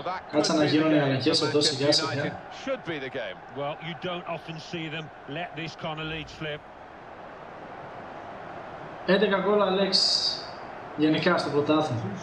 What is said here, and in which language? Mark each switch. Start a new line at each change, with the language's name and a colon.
Greek: Κάτσε να γίνουν οι αλλαγές εδώ σιγά σιγά.
English: Should be the game. Well, you don't often see them let this kind of lead slip.
Greek: 11 γκολ Αλέξ γενικά στο πρωτάθλημα.